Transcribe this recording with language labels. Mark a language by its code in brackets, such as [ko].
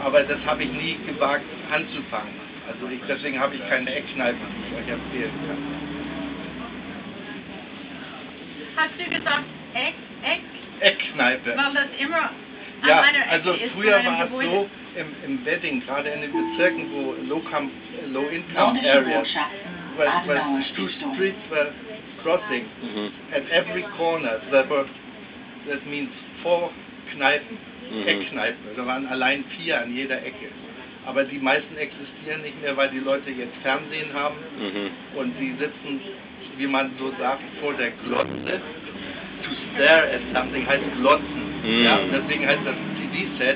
[de] Aber das habe ich nie gewagt anzufangen. Also deswegen habe ich keine Eckkneipe, die ich euch empfehlen kann. Hast du gesagt Eckkneipe? Weil das immer an ja, einer Ecke also ist, früher war es so, im Wedding, gerade in den Bezirken, wo Low-Income-Area. [en] Where two streets were crossing, mm-hmm. at every corner that means four Kneipen, mm-hmm. [de] Eckkneipen. Da waren allein vier an jeder Ecke. Aber die meisten existieren nicht mehr, weil die Leute jetzt Fernsehen haben, mm-hmm. und sie sitzen, wie man so sagt, vor der Glotze. [en] To stare at something [de] heißt Glotzen. Mm-hmm. Ja? Deswegen heißt das TV-Set,